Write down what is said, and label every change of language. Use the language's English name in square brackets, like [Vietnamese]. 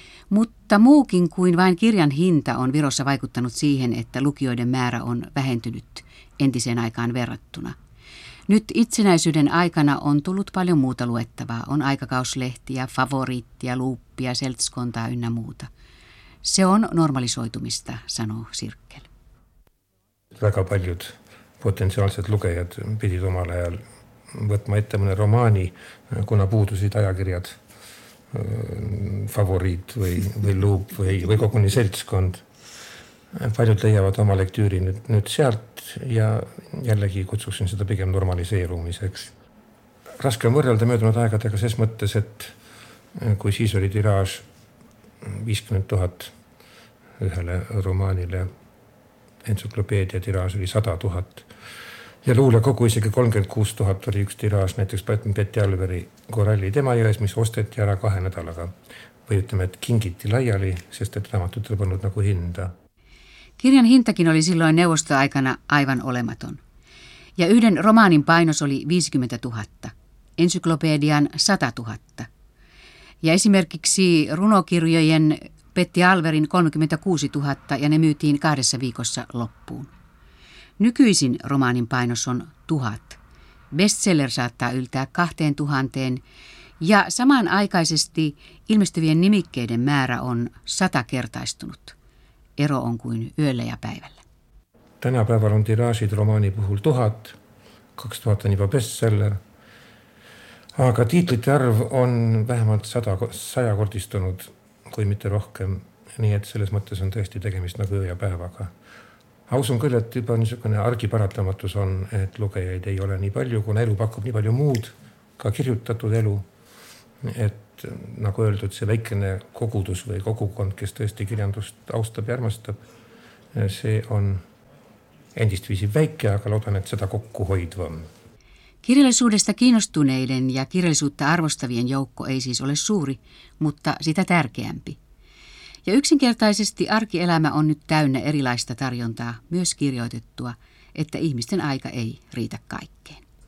[Finnish] Mutta muukin kuin vain kirjan hinta on Virossa vaikuttanut siihen, että lukijoiden määrä on vähentynyt entiseen aikaan verrattuna. Nyt itsenäisyyden aikana on tullut paljon muuta luettavaa. On aikakauslehtiä, Favoriittia, Luuppia, Seltskontaa ynnä muuta. Se on normalisoitumista, sanoo Sirkkel. [Estonian] Väga paljud potentsiaalset lukejat pidid omal ajal võtma ette mõne romaani, kuna puudusid ajakirjad. Favoriit või Luup või koguni Seltskond. Paljud leiavad oma lektüüri nüüd sealt ja jällegi kutsuksin seda pigem normaliseerumiseks. Raske on võrrelda möödunud aegadega ses mõttes, et kui siis oli tiraaž 50 000 ühele romaanile, entsüklopeedia tiraaž oli 100 000 ja luule kogu isegi 36 000 oli üks tiraaž, näiteks Petti Alveri Koralli Temajões, mis osteti ära kahe nädalaga. Või ütleme, et kingiti laiali, sest et raamatut on pannud nagu hinda. [Finnish] Kirjan hintakin oli silloin neuvostoaikana aivan olematon. Ja yhden romaanin painos oli 50 000, ensyklopedian 100 000. Ja esimerkiksi runokirjojen Petti Alverin 36 000 ja ne myytiin 2 viikossa loppuun. Nykyisin romaanin painos on 1000. Bestseller saattaa yltää 2000 ja samanaikaisesti ilmestyvien nimikkeiden määrä on 100-kertaistunut. Ero on kuin yöllä ja päivällä. [Estonian] Tänä päivällä on tiraasid romaani puhul 1000, 2000 on jopa bestseller. Aga tiitlite arv on vähemalt 100-kordistunut, kui mitte rohkem. Nii et selles mõttes on tõesti tegemist nagu yö ja päevaga. Ma usun küll, et juba niisugune argi paratamatus on, et lugejaid ei ole nii palju, kuna elu pakub nii palju muud, ka kirjutatud elu. Et nagu öeldud, see väikene kogudus või kogukond, kes tõesti kirjandust austab ja armastab, see on endist viisi väike, aga loodan, et seda kokku hoidvam. [Finnish] Kirjallisuudesta kiinnostuneiden ja kirjallisuutta arvostavien joukko ei siis ole suuri, mutta sitä tärkeämpi. Ja yksinkertaisesti arkielämä on nyt täynnä erilaista tarjontaa, myös kirjoitettua, että ihmisten aika ei riitä kaikkeen.